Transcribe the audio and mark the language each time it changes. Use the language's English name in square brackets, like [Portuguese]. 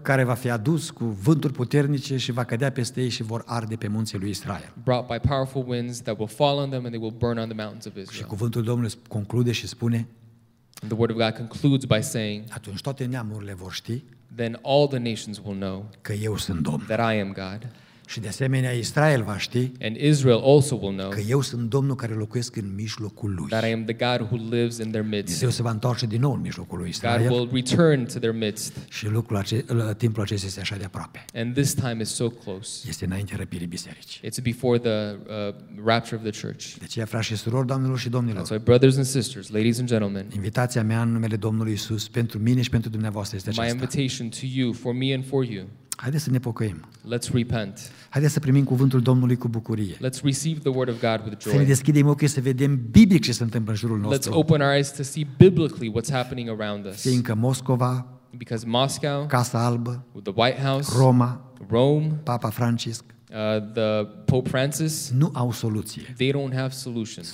[Romanian] Care va fi adus cu vânturi puternice și va cădea peste ei și vor arde pe munții lui Israel. [English] Brought by powerful winds that will fall on them and they will burn on the mountains of Israel. [Romanian] Și cuvântul Domnului conclude și spune. [English] And the word of God concludes by saying, [Romanian] atunci toate neamurile vor ști, [English] then all the nations will know, [Romanian] că eu sunt Domn, [English] that I am God, [Romanian] și de asemenea Israel va ști, [English] and Israel also will know, [Romanian] că eu sunt Domnul care locuiesc în mijlocul lui, [English] that I am the God who lives in their midst. [Romanian] Dumnezeu se va întoarce din nou în mijlocul lui Israel, [English] God will return to their midst, [Romanian] și lucrul timpul acesta este așa de aproape, [English] and this time is so close, [Romanian] este înaintea răpirii bisericii, [English] it's before the rapture of the church. [Romanian] De aceea, frați și surori, doamnelor și domnilor, [English] that's why brothers and sisters, ladies and gentlemen, [Romanian] invitația mea în numele Domnului Iisus pentru mine și pentru dumneavoastră este aceasta, [English] my invitation to you, for me and for you, [Romanian] haideți să ne pocăim. [English] Let's repent. [Romanian] Haideți să primim cuvântul Domnului cu bucurie. [English] Let's receive the word of God with joy. [Romanian] Să ne deschidem ochii să vedem biblic ce se întâmplă în jurul nostru. [English] Let's open our eyes to see biblically what's happening around us. [Romanian] Fiindcă Moscova, [English] because Moscow, [Romanian] Casa Albă, [English] the White House, [Romanian] Roma, [English] Rome, [Romanian] Papa Francisc, [English] the Pope Francis, [Romanian] nu au soluție. [English] They don't have solutions.